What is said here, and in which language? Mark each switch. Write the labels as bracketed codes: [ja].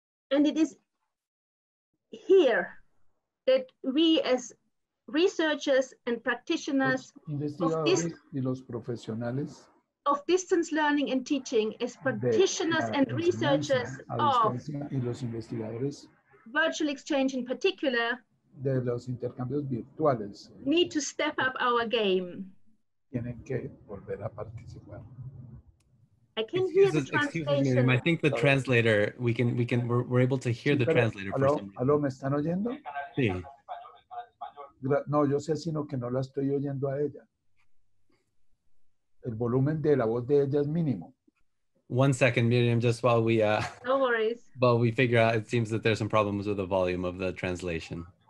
[en] And it is here that we as researchers and practitioners of distance learning and teaching, as practitioners and researchers virtual exchange in particular, [es] de los intercambios virtuales, [en] need to step up our game. [es] Tienen que volver a participar. [en] I can hear the translation. I think the translator, we're able to hear the translator. Hello, hello, [es] ¿me están oyendo? Sí. No, yo sé, sino que no la estoy oyendo a ella. El volumen de la voz de ella es mínimo. [en] One second, Miriam, just while we no worries. While we figure out, it seems that there's some problems with the volume of the translation.